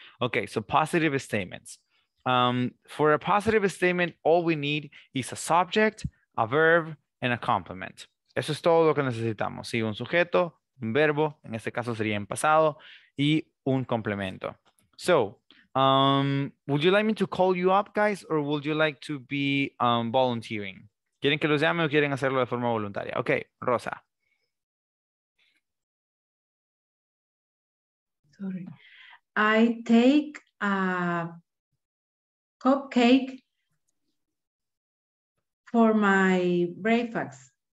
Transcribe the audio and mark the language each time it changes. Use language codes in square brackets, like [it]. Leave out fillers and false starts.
[en] Ok, so positive statements. For a positive statement, all we need is a subject, a verb, and a complement. [es] Eso es todo lo que necesitamos. Sí, un sujeto, un verbo, en este caso sería en pasado, y un complemento. So, [en] Would you like me to call you up, guys, or would you like to be volunteering? [es] ¿Quieren que los llame o quieren hacerlo de forma voluntaria? [en] Okay, Rosa. Sorry. I take a cupcake for my breakfast.